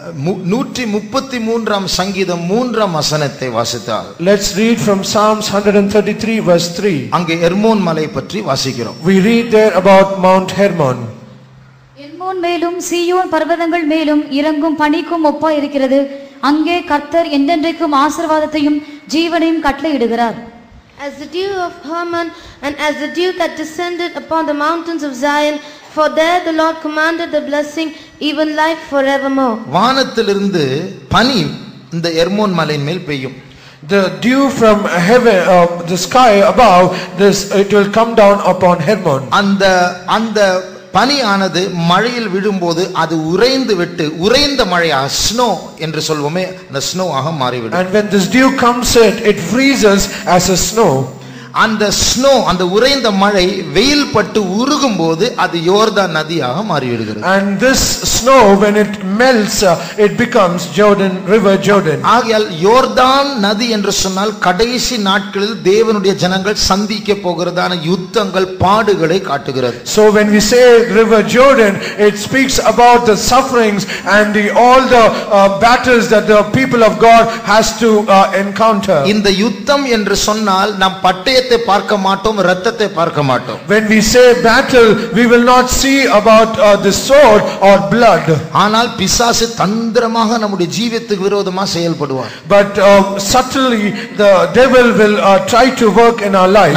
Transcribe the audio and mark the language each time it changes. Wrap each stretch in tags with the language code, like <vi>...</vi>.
<ta>133rd சங்கீதம் 3rd வசனத்தை வாசித்தால்,</ta> <en>Let's read from Psalms 133 verse 3.</en> <ta>அங்கே எர்மோன் மலை பற்றி வாசிக்கிறோம்.</ta> <en>We read there about Mount Hermon.</en> <ta>Hermon மேலும் சீயோன் பர்வதங்கள் மேலும் இறங்கும் பனிக்கும் ஒப்பாய் இருக்கிறது. அங்கே கர்த்தர் என்றென்றைக்கும் ஆசீர்வாதத்தையும் ஜீவனையும் கட்டளையிடுகிறார்.</ta> <en>As the dew of Hermon and as the dew that descended upon the mountains of Zion, for there the Lord commanded the blessing, even life forevermore.</en> <ta>வானத்திலிருந்து பனி இந்த எர்மோன் மலையின் மேல் பெய்யும்.</ta> <en>The dew from heaven, the sky above, this it will come down upon Hermon.</en> <ta>அந்த பனியானது மழையில் விழும்போது அது உறைந்து விட்டு உறைந்த மழையாக ஸ்னோ என்று சொல்வோமே அந்த ஸ்னோவாக மாறிவிடும்.</ta> <en>And when this dew comes it freezes as a snow.</en> <ta>அந்த ஸ்னோ அந்த உறைந்த மழை வெயில் பட்டு உருகும் போது அது யோர்தான் நதியாக மாறிவிடுகிறது.</ta> <en>And this snow when it melts it becomes Jordan river, Jordan.</en> <ta>ஆகையால் யோர்தான் நதி என்று சொன்னால் கடைசி நாட்களில் தேவனுடைய ஜனங்கள் சந்திக்க போகிறதான யுத்தங்கள் பாடுகளை காட்டுகிறது.</ta> <en>So when we say river Jordan, it speaks about the sufferings and all the battles that the people of God has to encounter.</en> <ta>இந்த யுத்தம் என்று சொன்னால் நாம் பட்டயத்தை பார்க்க மாட்டோம், இரத்தத்தை பார்க்க மாட்டோம்.</ta> <en>When we say battle, we will not see about the sword or blood.</en> <ta>ஆனால் பிசாசு தந்திரமாக நம்முடைய ஜீவத்துக்கு விரோதமாக செயல்படுவார்.</ta> <en>But subtly the devil will try to work in our life.</en>